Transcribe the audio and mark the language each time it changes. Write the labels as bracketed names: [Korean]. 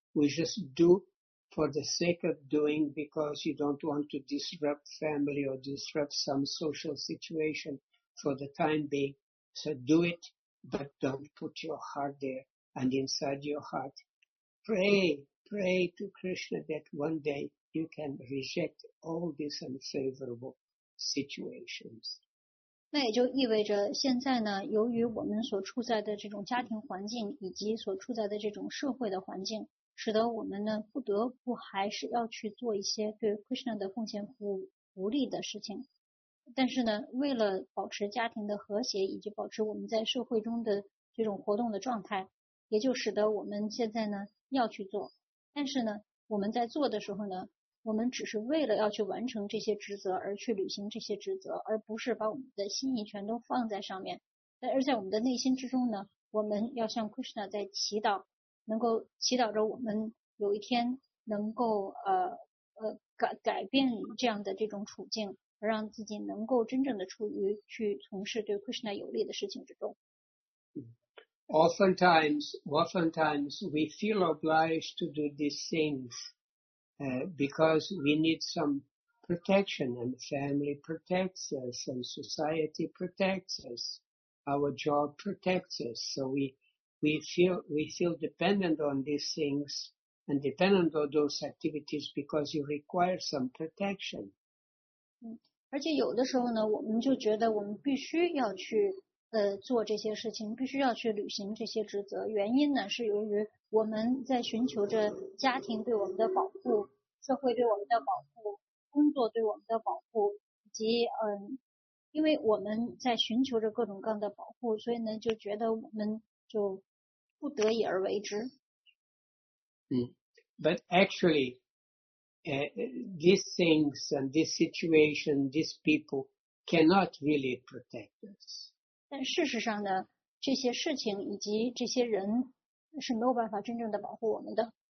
[English] We just do for the sake of doing, because you don't want to disrupt family or disrupt some social situation for the time being. So do it, but don't put your heart there. And inside your heart, pray to Krishna that one day you can reject all these unfavorable situations. [Chinese] 那也就意味着现在呢，由于我们所处在的这种家庭环境以及所处在的这种社会的环境，使得我们呢不得不还是要去做一些对 Krishna 的奉献服务无力的事情，但是呢为了保持家庭的和谐以及保持我们在社会中的这种活动的状态，也就使得我们现在呢要去做，但是呢我们在做的时候呢，我们只是为了要去完成这些职责而去履行这些职责，而不是把我们的心意全都放在上面，而在我们的内心之中呢，我们要向 Krishna 在祈祷，能够祈祷着我们有一天能够改变这样的这种处境，让自己能够真正的处于去从事对 Krishna 有利的事情之中。 [English] Oftentimes we feel obliged to do these things because we need some protection, and family protects us, and society protects us, our job protects us, so we feel dependent on these things and dependent on those activities because you require some protection. [Chinese] 而且有的时候呢，我们就觉得我们必须要去做这些事情，必须要去履行这些职责。原因呢，是由于我们在寻求着家庭对我们的保护、社会对我们的保护、工作对我们的保护，以及因为我们在寻求着各种各样的保护，所以呢，就觉得我们就不得已而为之。 [English] But actually, these things and this situation, these people cannot really protect us. [Chinese] 但事实上呢，这些事情以及这些人是没有办法真正的保护我们的。